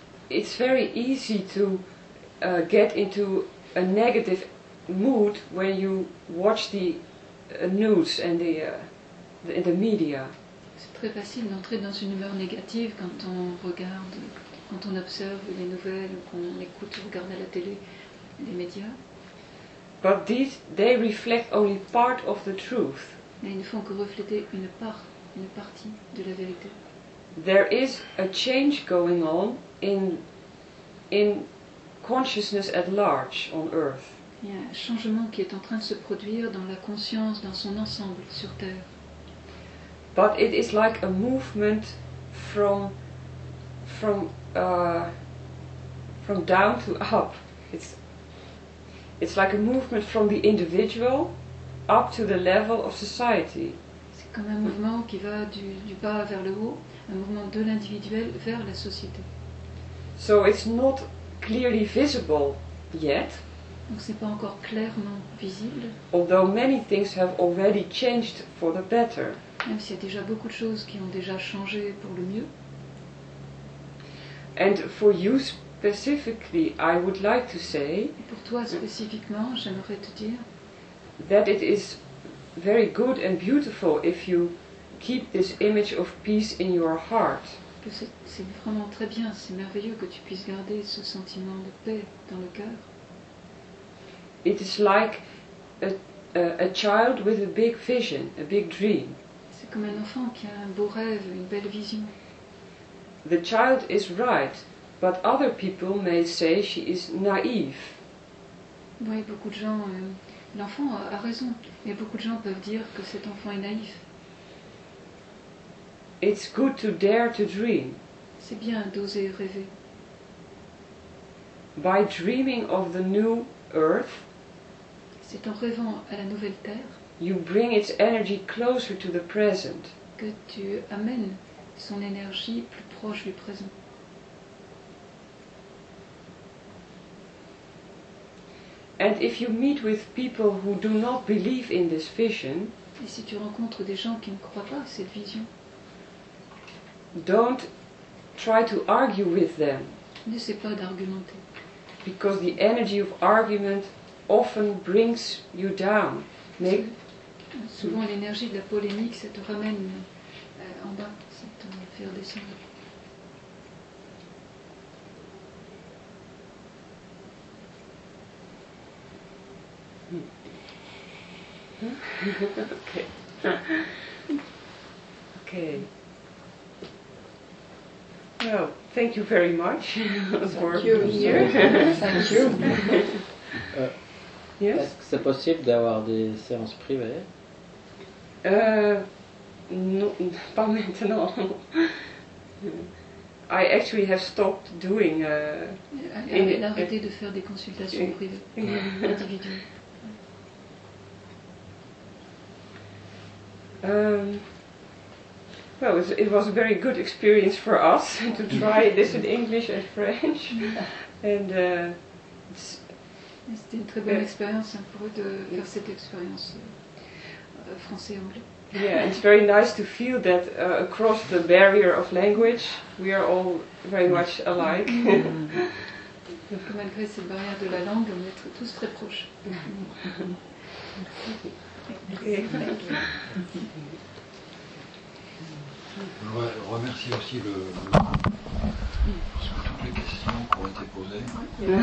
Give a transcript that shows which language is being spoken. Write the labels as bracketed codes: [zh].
[en] It's very easy to get into a negative mood when you watch the news and the media. [fr] C'est très facile d'entrer dans une humeur négative quand on regarde, quand on observe les nouvelles, qu'on écoute ou regarde à la télé les médias. [en] But these, they reflect only part of the truth. [fr] Mais ils ne font que refléter une part, une partie de la vérité. [en] There is a change going on in consciousness at large on Earth. [fr] Il y a un changement qui est en train de se produire dans la conscience, dans son ensemble sur Terre. [en] But it is like a movement from down to up. It's like a movement from the individual up to the level of society. [fr] C'est comme un mouvement qui va du bas vers le haut. Un mouvement de l'individuel vers la société. [en] So it's not clearly visible yet. [fr] Donc c'est pas encore clairement visible. [en] Although many things have already changed for the better. [fr] Même s'il y a déjà beaucoup de choses qui ont déjà changé pour le mieux. [en] And for you specifically, I would like to say. [fr] Et pour toi spécifiquement, j'aimerais te dire. [en] That it is very good and beautiful if you keep this image of peace in your heart. [fr] C'est vraiment très bien, c'est merveilleux que tu puisses garder ce sentiment de paix dans le cœur. [en] It is like a child with a big vision, a big dream. [fr] C'est comme un enfant qui a un beau rêve, une belle vision. [en] The child is right, but other people may say she is naive. [fr] Oui, beaucoup de gens, l'enfant a raison, mais beaucoup de gens peuvent dire que cet enfant est naïf. [en] It's good to dare to dream. [fr] C'est bien d'oser rêver. [en] By dreaming of the new earth, [fr] c'est en rêvant à la nouvelle terre, [en] you bring its energy closer to the present, [fr] que tu amènes son énergie plus proche du présent. [en] And if you meet with people who do not believe in this vision, [fr] et si tu rencontres des gens qui ne croient pas à cette vision, [en] don't try to argue with them. [fr] N'essaie pas d'argumenter. [en] Because the energy of argument often brings you down. [fr] Souvent l'énergie de la polémique, ça te ramène en bas, ça te fait descendre. [en] Okay. Well, thank you very much for being here. Thank you. Yes. [fr] Est-ce que c'est possible d'avoir des séances privées? Non, pas maintenant. [en] I actually have stopped doing. [fr] Elle a arrêté de faire des consultations privées individuelles. [en] Well, it was a very good experience for us to try this in English and French. And [fr] c'était une très bonne expérience pour eux de faire cette expérience français-anglais. [en] Yeah, it's very nice to feel that across the barrier of language, we are all very much alike. [fr] Donc malgré cette barrière de la langue, on est tous très proches. Je voudrais remercier aussi le toutes les questions qui ont été posées.